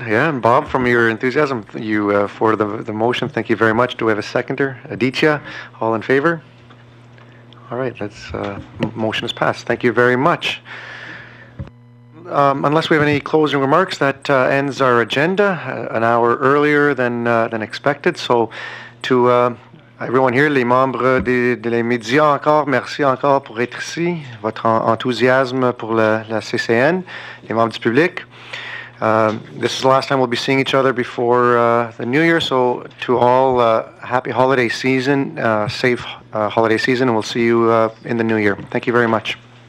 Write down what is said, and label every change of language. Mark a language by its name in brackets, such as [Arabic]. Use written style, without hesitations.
[English] Yeah, and Bob, from your enthusiasm, you for the motion, thank you very much. Do we have a seconder? Aditya, all in favor? All right, that's motion is passed. Thank you very much. Unless we have any closing remarks, that ends our agenda an hour earlier than expected. So to everyone here, [French] les membres des médias encore, merci encore pour être ici, votre enthousiasme pour la CCN, les membres du public. [English] This is the last time we'll be seeing each other before the New Year, so to all, happy holiday season, safe holiday season, and we'll see you in the New Year. Thank you very much.